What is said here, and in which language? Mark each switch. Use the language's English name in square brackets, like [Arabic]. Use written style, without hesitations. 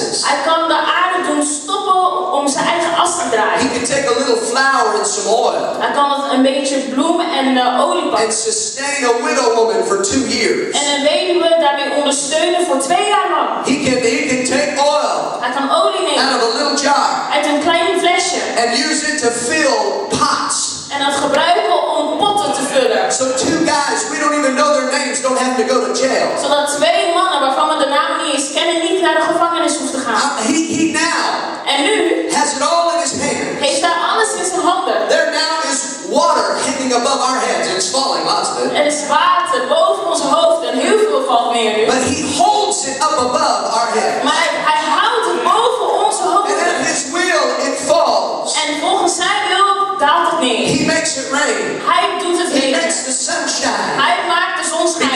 [Dutch] Hij kan de aarde doen stoppen onze eigen as te draaien. [English] He can take a little flour and some oil. [Dutch] Hij kan een beetje bloem en olie pakken. [English] And sustain a widow woman for 2 years. [Dutch] En een weduwe daarmee ondersteunen voor 2 jaar lang. [English] He can take oil. [Dutch] Hij kan olie nemen. [English] Out of a little jar. [Dutch] Uit een klein flesje. [English] And use it to fill pots. [Dutch] En dat gebruiken om potten te vullen. [English] So 2 guys, we don't even know their names, don't have to go to jail. [Dutch] Zodat 2 mannen waarvan we de naam niet eens kennen, niet naar de gevangenis hoeft te gaan. [English] He now. [Dutch] En nu [English] has it all in his hands. [Dutch] Heeft daar alles in zijn handen. [English] There now is water hitting above our heads. It's falling, lots of it. [Dutch] Er is water boven ons hoofd en heel veel valt neer nu. [English] But he holds it up above our heads. [Dutch] Maar hij houdt het boven onze hoofd. [English] And at his will it falls. [Dutch] En volgens zijn wil daalt het neer. [English] He makes it rain. [Dutch] Hij doet het regenen. [English] He makes the sunshine. [Dutch] Hij maakt de zon schijnen.